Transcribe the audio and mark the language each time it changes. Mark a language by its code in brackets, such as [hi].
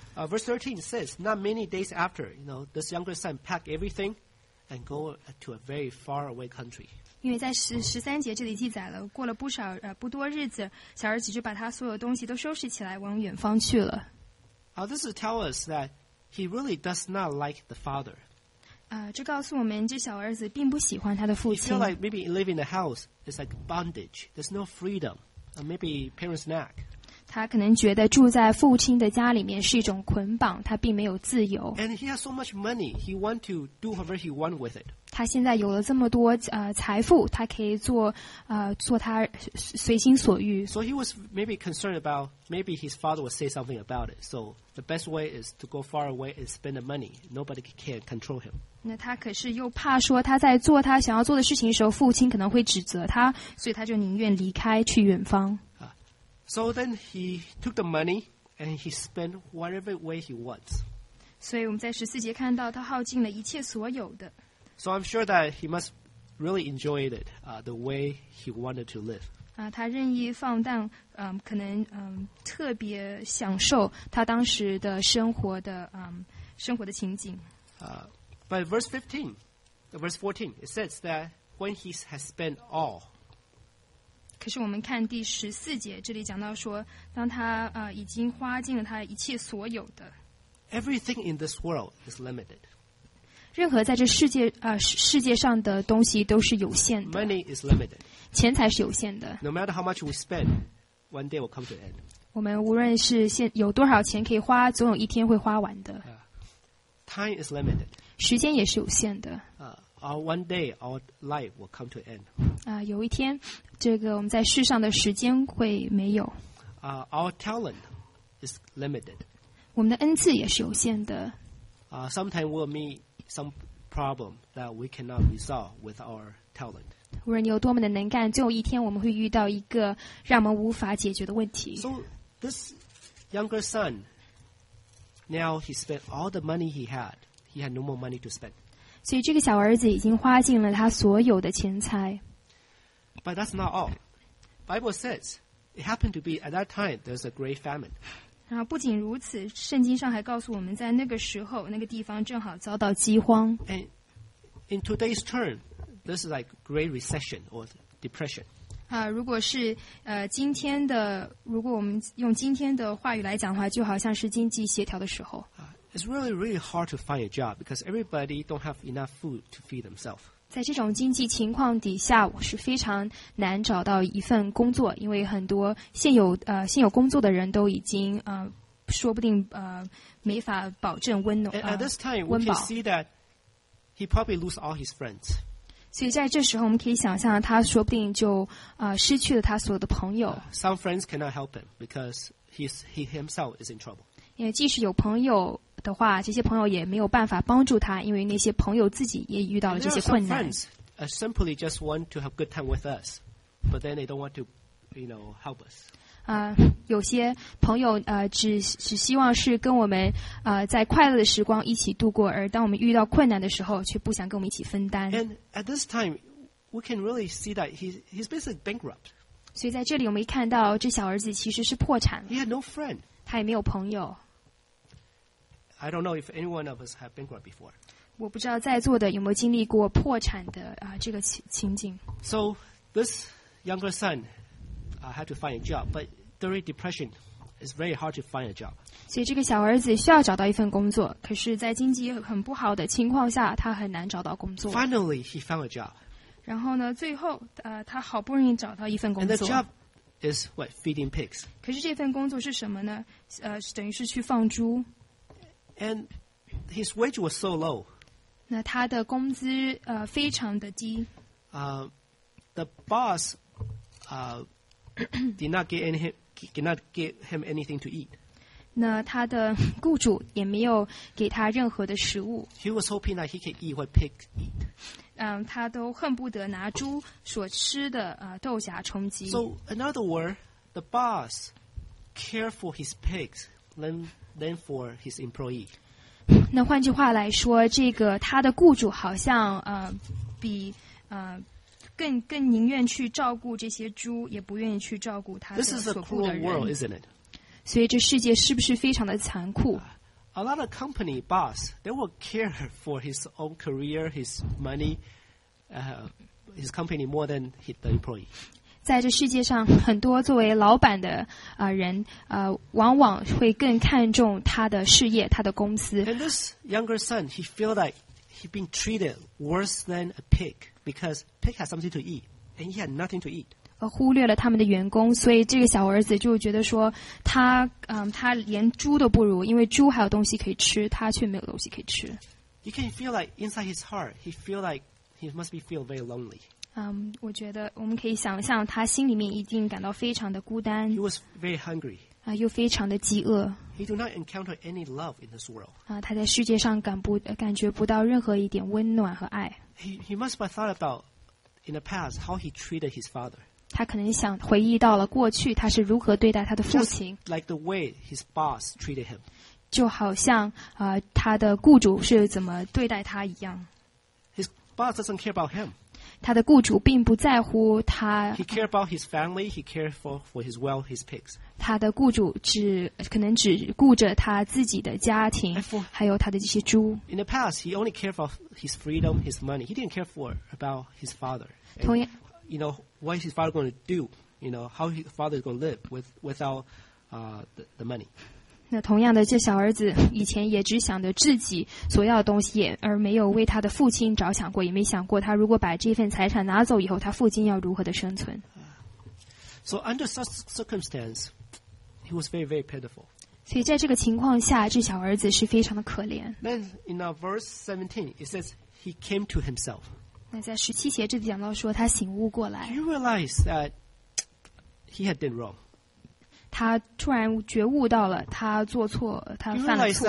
[en] Verse 13 says, not many days after, you know, this younger son packed everything and go to a very far away country. [zh] 因为在十三节这里记载了，过了不多日子，小儿子就把他所有东西都收拾起来，往远方去了。 [en] This is tell us that he really does not like the father. [zh] 这告诉我们，这小儿子并不喜欢他的父亲。 [en] He feel like maybe living in a house is like bondage. There's no freedom. Maybe parents nag. [zh] 他可能觉得住在父亲的家里面是一种捆绑，他并没有自由。 [en] And he has so much money, he want to do whatever he want with it. [zh] 他现在有了这么多财富，他可以做他随心所欲。 [en] So he was maybe concerned about maybe his father would say something about it. So the best way is to go far away and spend the money. Nobody can control him. [zh] 那他可是又怕说他在做他想要做的事情的时候，父亲可能会指责他，所以他就宁愿离开去远方。 [en] So then he took the money and he spent whatever way he wants. [zh] 所以我们在十四节看到他耗尽了一切所有的。 [en] So I'm sure that he must really enjoy it, the way he wanted to live. [zh] 他任意放荡，可能特别享受他当时的生活的情景。 [en] But verse 14, it says that when he has spent all. [zh] 可是我们看第十四节，这里讲到说，当他已经花尽了他一切所有的。 [en] Everything in this world is limited. [zh] 任何在这世界上的东西都是有限的。 [en] Money is limited. [zh] 钱财是有限的。 [en] No matter how much we spend, one day will come to end. [zh] 我们无论是有多少钱可以花，总有一天会花完的。 [en] Time is limited. [zh] 时间也是有限的。 [en] One day our life will come to end. [zh] 有一天，这个我们在世上的时间会没有。 [en] Our talent is limited. [zh] 我们的恩赐也是有限的。 [en] Sometimes we'll meet. Some problem that we cannot resolve with our talent. [zh] 无论你有多么的能干，总有一天我们会遇到一个让我们无法解决的问题。 [en] So this younger son, now he spent all the money he had. He had no more money to spend. [zh] 所以这个小儿子已经花尽了他所有的钱财。 [en] But that's not all. Bible says it happened to be at that time there's a great famine. [zh] 然后不仅如此，圣经上还告诉我们，在那个时候，那个地方正好遭到饥荒。 [en] And in today's term, this is like great recession or depression. [zh] 如果是今天的，如果我们用今天的话语来讲的话，就好像是经济萧条的时候。 [en] It's really, really hard to find a job because everybody don't have enough food to feed themselves. [zh] 在这种经济情况底下，我是非常难找到一份工作，因为很多现有工作的人都已经说不定没法保证温暖。 [en] At this time, we can see that he probably lose all his friends. [zh] 所以在这时候，我们可以想象他说不定就失去了他所有的朋友。 [en] Some friends cannot help him because he himself is in trouble. [zh] 因为即使有朋友的话，这些朋友也没有办法帮助他，因为那些朋友自己也遇到了这些困难。 [en] And there are some friends, simply just want to have good time with us, but then they don't want to, you know, help us. [zh] 有些朋友只希望是跟我们在快乐的时光一起度过，而当我们遇到困难的时候，却不想跟我们一起分担。 [en] And at this time, we can really see that he's basically bankrupt. [zh] 所以在这里我们一看到这小儿子其实是破产了。 [en] He had no friend. [zh] 他也没有朋友。 [en] I don't know if anyone of us have bankrupt before. [zh] 我不知道在座的有没有经历过破产的这个情景。 [en] So this younger son had to find a job, but during depression, it's very hard to find a job. [zh] 所以这个小儿子需要找到一份工作，可是在经济很不好的情况下，他很难找到工作。 [en] Finally, he found a job. [zh] 然后呢，最后他好不容易找到一份工作。 [en] And the job is what? Feeding pigs. [zh] 可是这份工作是什么呢？等于是去放猪。 [en] And his wage was so low. [zh] 那他的工资非常的低。 [en] The boss did not give him anything to eat. [zh] 那他的雇主也没有给他任何的食物。 [en] He was hoping that he could eat what pigs eat. [zh] 他都恨不得拿猪所吃的豆荚充饥。 [en] So in other words, the boss cared for his pigs than for his employee. [zh] 那换句话来说，这个他的雇主好像比更宁愿去照顾这些猪，也不愿意去照顾他的所雇的人。 [en] This is a cruel world, isn't it? [zh] 所以这世界是不是非常的残酷？ [en] A lot of company boss, they will care for his own career, his money, his company more than the employee. [zh] 在这世界上，很多作为老板的人往往会更看重他的事业，他的公司。 [en] And this younger son, he feels like he's been treated worse than a pig because pig has something to eat and he had nothing to eat. [zh] 忽略了他们的员工，所以这个小儿子就觉得说他连猪都不如，因为猪还有东西可以吃，他却没有东西可以吃。 [en] You can feel like inside his heart, he feels like he must be feel very lonely. [zh] 我觉得我们可以想象他心里面一定感到非常的孤单。 [en] He was very hungry. [zh] 又非常的饥饿。 [en] He do not encounter any love in this world. [zh] 他在世界上感觉不到任何一点温暖和爱。 [en] He must have thought about in the past how he treated his father. [zh] 他可能想回忆到了过去他是如何对待他的父亲。 [en] Just like the way his boss treated him. [zh] 就好像他的雇主是怎么对待他一样。 [en] His boss doesn't care about him. [zh] 他的雇主并不在乎他。 [en] He cares about his family. He cares for his well, his pigs. [zh] 他的雇主可能只顾着他自己的家庭，还有他的这些猪。 [en] In the past, he only cared for his freedom, his money. He didn't care for about his father. And, [zh] 同样 [en] ，you know what is his father going to do? You know how his father is going to live without the money. [zh] 那同样的，这小儿子以前也只想着自己所要的东西，而没有为他的父亲着想过，也没想过他如果把这份财产拿走以后，他父亲要如何的生存。 [en] So under such circumstance. He was very, very pitiful. [zh] 所以在这个情况下，这小儿子是非常的可怜。 [en] Then in our verse 17, it says he came to himself. [zh] 那在十七节这里讲到说他醒悟过来。 [en] He realized that he had done wrong. [zh] 他突然觉悟到了，他做错，他犯了错。